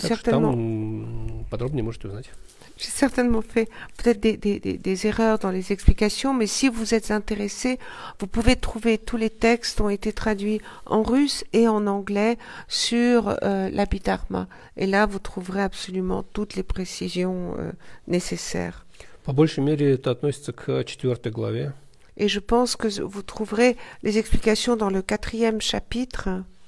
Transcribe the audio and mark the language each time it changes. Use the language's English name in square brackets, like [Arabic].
[Russian] Так что там подробнее можете узнать. [French] certainement fait peut-être des erreurs dans les explications, mais si vous êtes intéressé, vous pouvez trouver tous les textes qui ont été traduits en russe et en anglais sur l'Abhidharma. Et là, vous trouverez absolument toutes les précisions nécessaires. [Russian] По большей мере, это относится к четвертой главе. [French] Et je pense que vous trouverez les explications dans le quatrième chapitre.